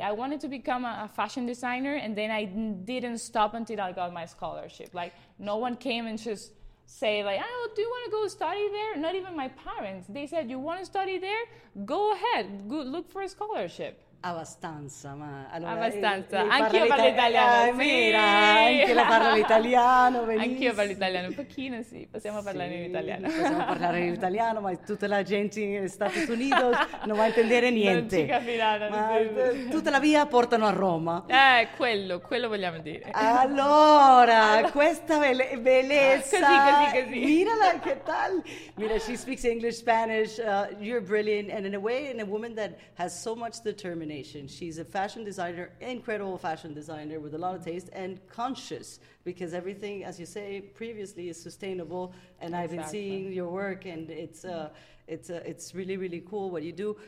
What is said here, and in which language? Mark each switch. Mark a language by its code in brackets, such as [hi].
[en] I wanted to become a fashion designer, and then I didn't stop until I got my scholarship. Like, no one came and just say, like, oh, do you want to go study there? Not even my parents. They said, you want to study there? Go ahead. Go look for a scholarship. [it] Abbastanza, ma allora, abbastanza. Anch'io parlo italiano. Mira, anche la parlo italiano. Benissimo. Anch'io parlo italiano, un pochino, sì. Possiamo parlare in italiano. Possiamo parlare in italiano, ma tutta la gente negli Stati Uniti non va a intendere niente. Non ci capiranno. Ma tutta la via portano a Roma. Quello vogliamo dire. Allora, questa bellezza. Così. [es] Mirala, che tal? [en] Mira, she speaks English, Spanish. You're brilliant, and in a way, in a woman that has so much determination. She's a fashion designer, incredible fashion designer with a lot of taste and conscious, because everything, as you say previously, is sustainable. And exactly. I've been seeing your work, and it's really, really cool what you do.